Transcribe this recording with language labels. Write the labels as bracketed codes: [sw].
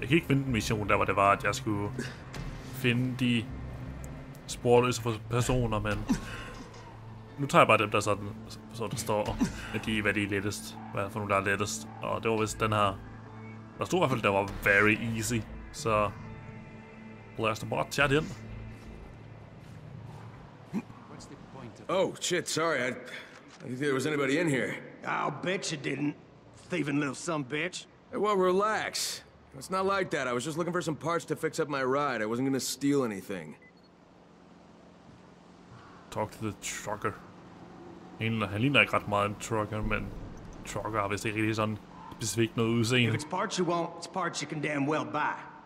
[da] Jeg kan ikke finde den mission, der hvor det var, at jeg skulle finde de sporløse personer, men nu tager jeg bare dem, der sådan, så der står, at de, hvad de er lettest, hvad for nogle, der er lettest, og det var vist den her, der stod i hvert fald, der var [en] very easy, [da] så lad os da bare tage den. [en] Oh, shit, sorry, I think there was anybody in here. I'll bet you didn't, thieving little sumbitch. Hey, well, relax. It's not like that. I was just looking for some parts to fix up my ride. I wasn't gonna steal anything. Talk to the trucker. [da] Han ligner ikke ret meget en trucker, men trucker har vist ikke rigtig sådan specifikt noget udseende. [en] If it's parts you want, it's parts you can damn well buy.